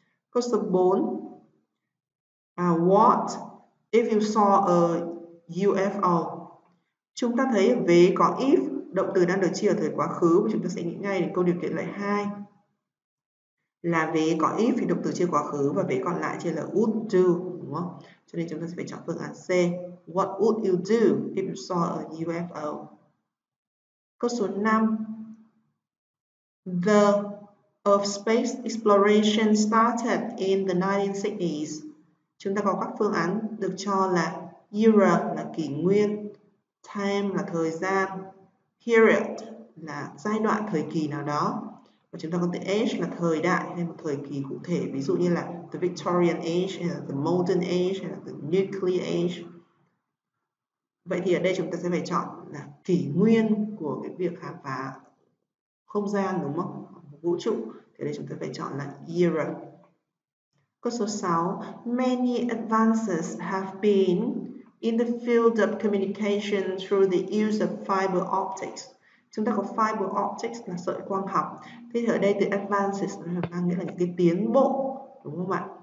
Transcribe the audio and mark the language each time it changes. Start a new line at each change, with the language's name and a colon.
Vietnamese: Câu số 4.
English: What if you saw a UFO?
Vietnamese: Chúng ta thấy vế có if, động từ đang được chia ở thời quá khứ, chúng ta sẽ nghĩ ngay đến câu điều kiện loại 2. Là vế có if thì động từ chia quá khứ và vế còn lại chia là
English: would do,
Vietnamese: đúng không? Cho nên chúng ta sẽ phải chọn phương án C.
English: What would you do if you saw a UFO?
Vietnamese: Câu số 5.
English: The of space exploration started in the 1960s.
Vietnamese: Chúng ta có các phương án được cho là era là kỷ nguyên, time là thời gian, period là giai đoạn thời kỳ nào đó. Và chúng ta có từ age là thời đại hay một thời kỳ cụ thể, ví dụ như là
English: the Victorian age
Vietnamese: hay là
English: the modern age
Vietnamese: hay là
English: the nuclear age.
Vietnamese: Vậy thì ở đây chúng ta sẽ phải chọn là kỷ nguyên của cái việc khám phá không gian, đúng không? Vũ trụ, thế đây chúng ta phải chọn là era. Câu số 6,
English: many advances have been in the field of communication through the use of fiber optics.
Vietnamese: Chúng ta có fiber optics là sợi quang học. Thế thì ở đây từ advances nó mang nghĩa là những cái tiến bộ, đúng không ạ?